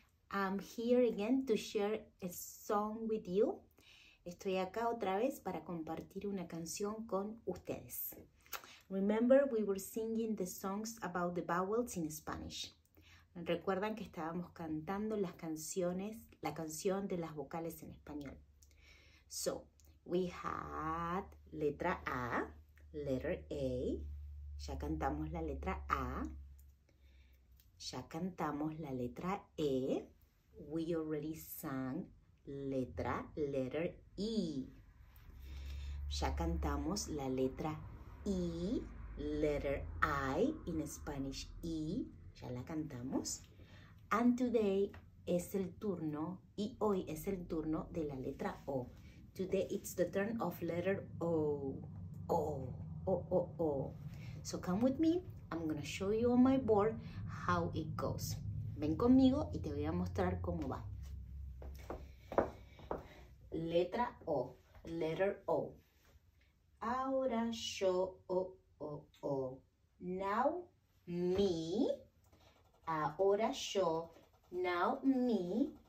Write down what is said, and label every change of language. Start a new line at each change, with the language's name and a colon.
English: I'm here again to share a song with you.
Spanish: Estoy acá otra vez para compartir una canción con ustedes.
English: Remember, we were singing the songs about the vowels in Spanish.
Spanish: ¿Recuerdan que estábamos cantando las canciones, la canción de las vocales en español?
English: So, we had letra A, letter A.
Spanish: Ya cantamos la letra A. Ya cantamos la letra E.
English: We already sang letter E.
Spanish: Ya cantamos la letra I,
English: letter I in Spanish
Spanish: E. Ya la cantamos.
English: And today
Spanish: es el turno, y hoy es el turno de la letra O.
English: Today it's the turn of letter O.
Spanish: O, O, O, O.
English: So come with me. I'm gonna show you on my board how it goes.
Spanish: Ven conmigo y te voy a mostrar cómo va. Letra O,
English: letter O.
Spanish: Ahora yo, O, O, O.
English: Now me,
Spanish: ahora yo,
English: now me.